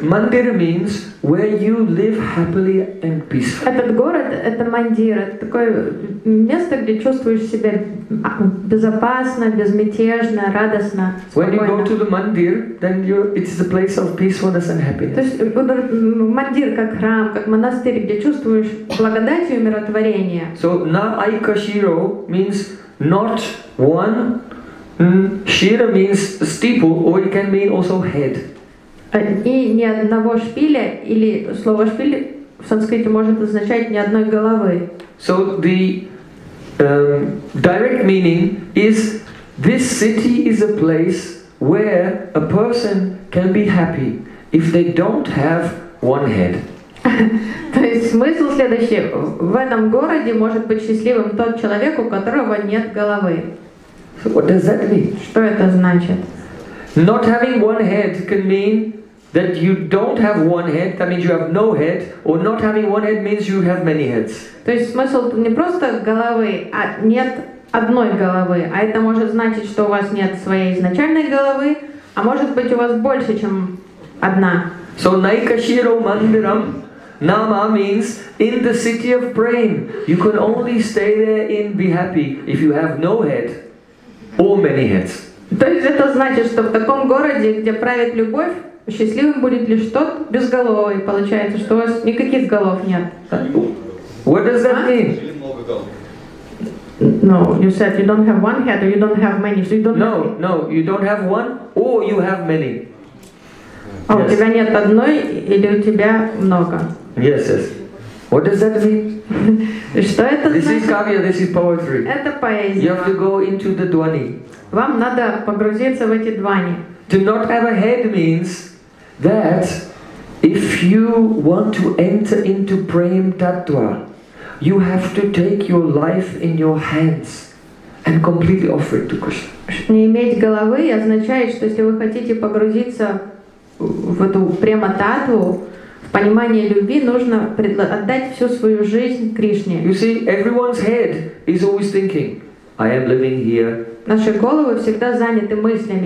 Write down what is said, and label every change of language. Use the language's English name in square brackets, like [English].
[English] Mandir means where you live happily and peacefully. [Russian] Этот город — это мандир, это такое место, где чувствуешь себя безопасно, безмятежно, радостно, спокойно. [English] When you go to the mandir, then it's a place of peacefulness and happiness. [Russian] То есть мандир как храм, как монастырь, где чувствуешь благодать и умиротворение. [English] So naikashiro means not one. Shira means steeple, or it can mean also head. [Russian] И ни одного шпиля, или слово шпиль в санскрите может означать ни одной головы. [English] So the direct meaning is this city is a place where a person can be happy if they don't have one head. [Russian] То есть смысл следующий: в этом городе может быть счастливым тот человек, у которого нет головы. [English] So what does that mean? [Russian] Что это значит? [English] Not having one head can mean that you don't have one head, that means you have no head, or not having one head means you have many heads. [Russian] То есть смысл не просто головы, а нет одной головы. А это может значить, что у вас нет своей изначальной головы, а может быть у вас больше, чем одна. [English] So [Sanskrit] naikashiro mandiram nama [English] means in the city of praying. You can only stay there and be happy if you have no head or many heads. [Russian] То есть это значит, что в таком городе, где правит любовь, счастливым будет лишь тот безголовый, получается, что у вас никаких голов нет. [English] What does that mean? No, you said you don't have one head or you don't have many. So you don't no, have... no, you don't have one or you have many. [Russian] А у тебя нет одной или у тебя много? [English] Yes, yes. What does that mean? [Russian] Что это [English] this [Russian] значит? [English] This is kavya, this is poetry. [Russian] Это поэзия. [English] You have to go into the dvani. [Russian] Вам надо погрузиться в эти двани. [English] To not have a head means that if you want to enter into prem tattva, you have to take your life in your hands and completely offer it to Krishna. [Russian] Не иметь головы означает, что если вы хотите погрузиться в эту према татву, в понимание любви, нужно отдать всю свою жизнь Кришне. [English] You see, everyone's head is always thinking, I am living here. [Russian] Наши головы всегда заняты мыслями.